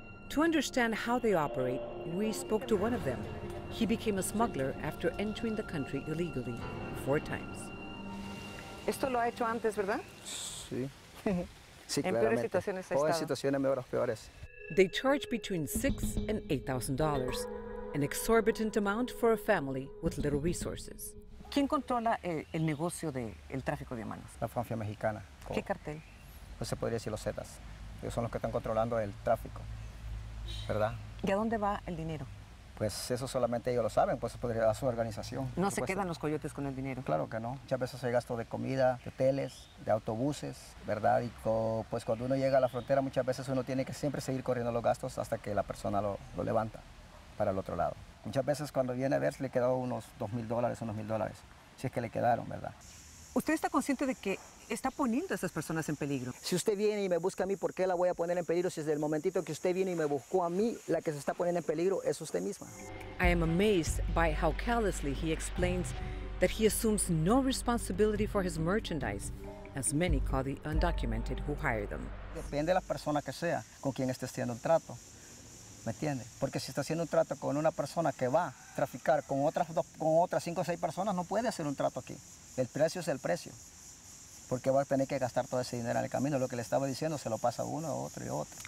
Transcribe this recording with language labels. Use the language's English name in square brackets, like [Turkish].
[English] To understand how they operate, we spoke to one of them. He became a smuggler after entering the country illegally 4 times. [Spanish] Esto lo ha hecho antes, ¿verdad? Sí. Sí, claramente. En peores situaciones ha estado. O en situaciones mejores, peores. [English] They charge between $6,000 and $8,000, an exorbitant amount for a family with little resources. [Spanish] ¿Quién controla el negocio del tráfico de humanos? La mafia mexicana. ¿Qué cartel? Pues se podría decir los Zetas. Ellos son los que están controlando el tráfico, ¿verdad? ¿Y a dónde va el dinero? Pues eso solamente ellos lo saben, pues podría dar su organización. ¿No se quedan los coyotes con el dinero? Claro que no. Muchas veces hay gasto de comida, de hoteles, de autobuses, ¿verdad? Y pues cuando uno llega a la frontera, muchas veces uno tiene que siempre seguir corriendo los gastos hasta que la persona lo levanta para el otro lado. Muchas veces cuando viene a ver, le quedó unos $2,000, unos $1,000, si es que le quedaron, ¿verdad? ¿Usted está consciente de que está poniendo a esas personas en peligro? Si usted viene y me busca a mí, ¿por qué la voy a poner en peligro? Si desde el momentito que usted viene y me buscó a mí, la que se está poniendo en peligro es usted misma. [English] I am amazed by how callously he explains that he assumes no responsibility for his merchandise, as many call the undocumented who hire them. [Spanish] Depende de la persona que sea con quien esté haciendo un trato. ¿Me entiendes? Porque si está haciendo un trato con una persona que va a traficar con otras dos, con otras 5 o 6 personas, no puede hacer un trato aquí. El precio es el precio. Porque va a tener que gastar todo ese dinero en el camino. Lo que le estaba diciendo, se lo pasa uno, otro y otro.